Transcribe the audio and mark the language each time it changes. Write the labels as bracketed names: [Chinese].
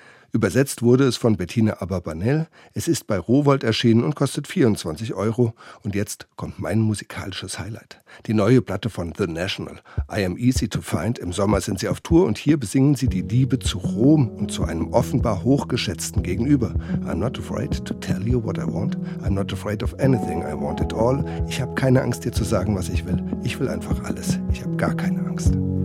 [German] Übersetzt wurde es von Bettina Aberbanell. Es ist bei Rowohlt erschienen und kostet 24 Euro. Und jetzt kommt mein musikalisches Highlight. Die neue Platte von The National, I Am Easy to Find. Im Sommer sind sie auf Tour und hier besingen sie die Liebe zu Rom und zu einem offenbar hochgeschätzten Gegenüber. [English] I'm not afraid to tell you what I want. I'm not afraid of anything. I want it all. [German] Ich habe keine Angst, dir zu sagen, was ich will. Ich will einfach alles. Ich habe gar keine Angst.